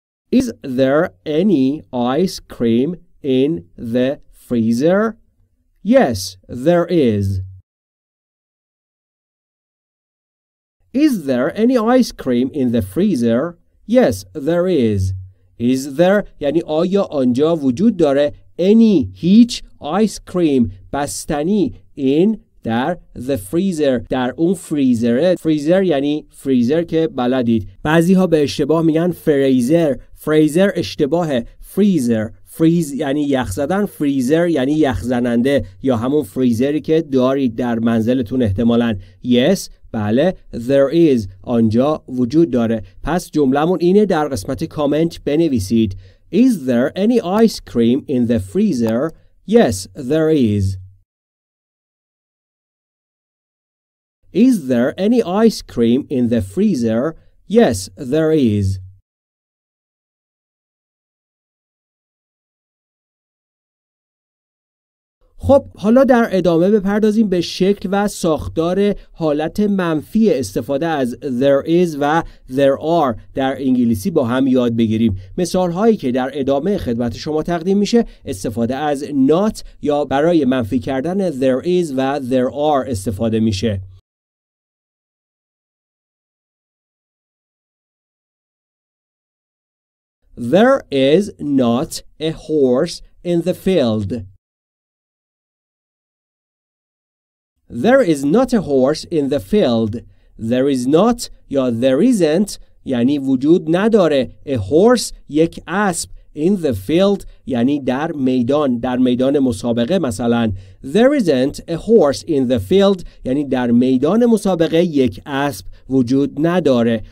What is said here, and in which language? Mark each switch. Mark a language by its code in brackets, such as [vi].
[en] Is there any ice cream in the freezer? Yes, there is. Is there any ice cream in the freezer? Yes, there is. Is there, [fa] یعنی آیا آنجا وجود داره, any, هیچ, [en] ice cream, [fa] بستنی, in, در [en] the freezer, [fa] در اون فریزر. فریزر یعنی فریزر که بلدید. بعضی ها به اشتباه میگن فریزر. فریزر اشتباهه. فریزر, فریز یعنی یخ زدن, فریزر یعنی یخ زننده یا همون فریزری که دارید در منزلتون احتمالاً. [en] yes, [fa] بله, [en] there is, [fa] آنجا وجود داره. پس جملمون اینه, در قسمت کامنت بنویسید. [en] Is there any ice cream in the freezer? Yes, there is. Is there any ice cream in the freezer? Yes, there is. [fa] خب حالا در ادامه بپردازیم به شکل و ساختار حالت منفی استفاده از there is و there are در انگلیسی با هم یاد بگیریم. مثال هایی که در ادامه خدمت شما تقدیم میشه استفاده از not یا برای منفی کردن there is و there are استفاده میشه. [en] There is not a horse in the field. There is not a horse in the field. There is not, [fa] یا [en] there isn't, [fa] یعنی وجود نداره, [en] a horse, [fa] یک اسب, [en] in the field, [fa] یعنی در میدان مسابقه مثلا. [en] There isn't a horse in the field, [fa] یعنی در میدان مسابقه یک اسب وجود نداره.